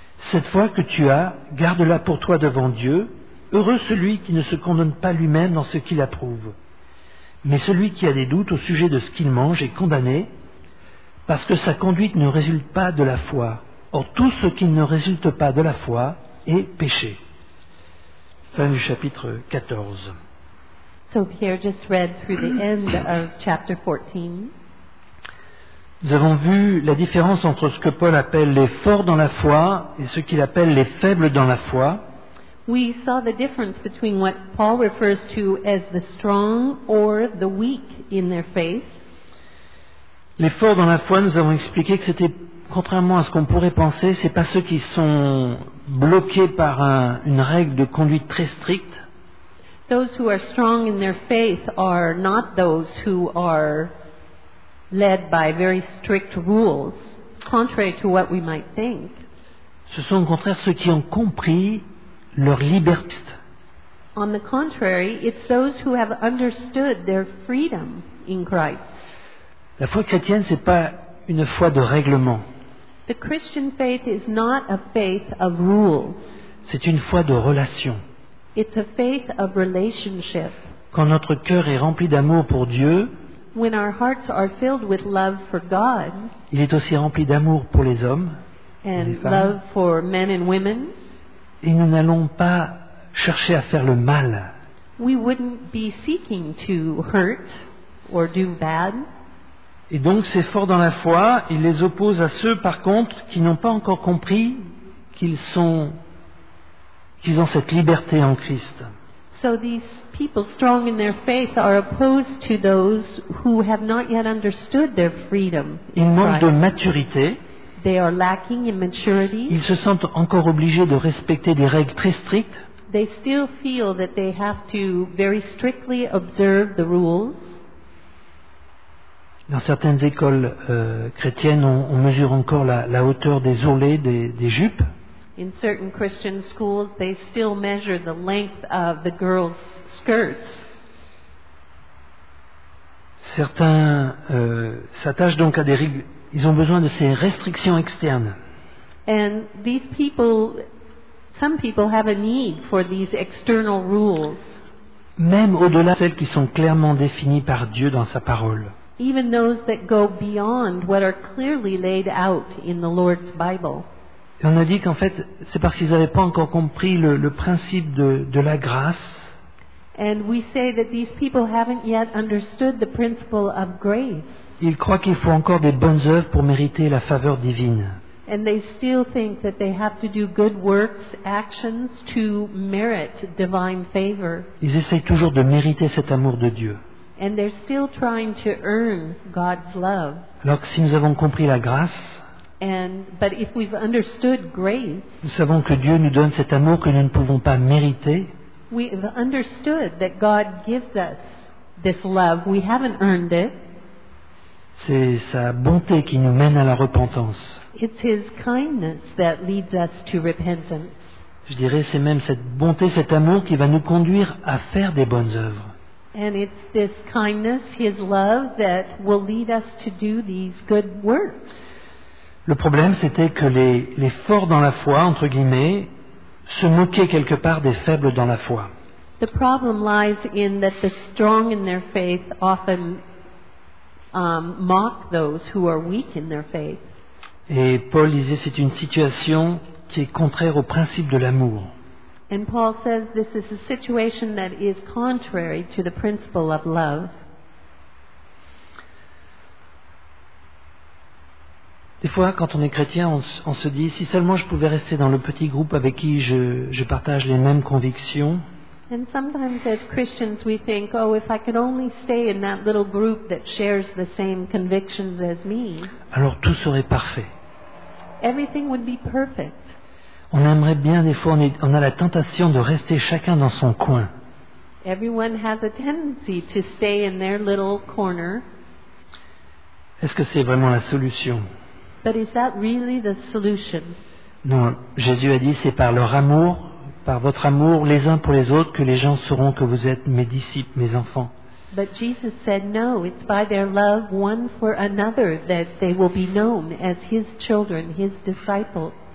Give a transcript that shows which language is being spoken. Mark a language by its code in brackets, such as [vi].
[fr] Cette foi que tu as, garde-la pour toi devant Dieu. Heureux celui qui ne se condamne pas lui-même dans ce qu'il approuve. Mais celui qui a des doutes au sujet de ce qu'il mange est condamné, parce que sa conduite ne résulte pas de la foi. Or, tout ce qui ne résulte pas de la foi est péché. Fin du chapitre 14. [en] So Pierre just read through the end of chapter 14. [fr] Nous avons vu la différence entre ce que Paul appelle les forts dans la foi et ce qu'il appelle les faibles dans la foi. [en] We saw the difference between what Paul refers to as the strong or the weak in their faith. [fr] Les forts dans la foi, nous avons expliqué que c'était, contrairement à ce qu'on pourrait penser, c'est pas ceux qui sont bloqués par une règle de conduite très stricte. [en] Those who are strong in their faith are not those who are led by very strict rules, contrary to what we might think. [fr] Ce sont au contraire ceux qui ont compris leur liberté. [en] On the contrary, it's those who have understood their freedom in Christ. [fr] La foi chrétienne, c'est pas une foi de règlement. [en] The Christian faith is not a faith of rules. [fr] C'est une foi de relation. [en] It's a faith of relationship. [fr] Quand notre cœur est rempli d'amour pour Dieu, [en] when our hearts are filled with love for God, [fr] il est aussi rempli d'amour pour les hommes, [en] and [fr] les femmes, [en] love for men and women. [fr] Et nous n'allons pas chercher à faire le mal. [en] We wouldn't be seeking to hurt or do bad. [fr] Et donc, ces forts dans la foi, ils les opposent à ceux, par contre, qui n'ont pas encore compris qu'ils ont cette liberté en Christ. [en] So these people strong in their faith are opposed to those who have not yet understood their freedom. [fr] Ils manquent de maturité. [en] They are lacking in maturity. [fr] Ils se sentent encore obligés de respecter des règles très strictes. [en] They still feel that they have to very strictly observe the rules. [fr] Dans certaines écoles chrétiennes, on mesure encore la hauteur des ourlets des jupes. [en] In certain Christian schools, they still measure the length of the girls' skirts. [fr] Certains s'attachent donc à des règles. Ils ont besoin de ces restrictions externes. [en] And these people, some people have a need for these external rules. [fr] même au-delà de celles qui sont clairement définies par Dieu dans sa parole. [en] Even those that go beyond what are clearly laid out in the Lord's Bible. [fr] Et on a dit qu'en fait, c'est parce qu'ils n'avaient pas encore compris le principe de la grâce. [en] And we say that these people haven't yet understood the principle of grace. [fr] Ils croient qu'il faut encore des bonnes œuvres pour mériter la faveur divine. [en] And they still think that they have to do good works, actions to merit divine favor. [fr] Ils essayent toujours de mériter cet amour de Dieu. [en] And they're still trying to earn God's love. [fr] Alors que si nous avons compris la grâce, [en] but if we've understood grace, [fr] nous savons que Dieu nous donne cet amour que nous ne pouvons pas mériter. [en] We've understood that God gives us this love. We haven't earned it. [fr] C'est sa bonté qui nous mène à la repentance. [en] It's his kindness that leads us to repentance. [fr] Je dirais, c'est même cette bonté, cet amour qui va nous conduire à faire des bonnes œuvres. [en] And it's this kindness, his love, that will lead us to do these good works. [fr] Le problème, c'était que les forts dans la foi, entre guillemets, se moquaient quelque part des faibles dans la foi. [en] The problem lies in that the strong in their faith often mock those who are weak in their faith. [fr] Et Paul disait, c'est une situation qui est contraire au principe de l'amour. [en] And Paul says this is a situation that is contrary to the principle of love. [fr] Des fois, quand on est chrétien, on se dit, si seulement je pouvais rester dans le petit groupe avec qui je partage les mêmes convictions. [en] And sometimes as Christians we think, oh, if I could only stay in that little group that shares the same convictions as me. [fr] Alors tout serait parfait. [en] Everything would be perfect. [fr] On aimerait bien, des fois, on a la tentation de rester chacun dans son coin. [en] Everyone has a tendency to stay in their little corner. [fr] Est-ce que c'est vraiment la solution? [en] But is that really the solution? [fr] Non, Jésus a dit, c'est par leur amour, par votre amour, les uns pour les autres, que les gens sauront que vous êtes mes disciples, mes enfants. [en] But Jesus said, no, it's by their love one for another that they will be known as his children, his disciples.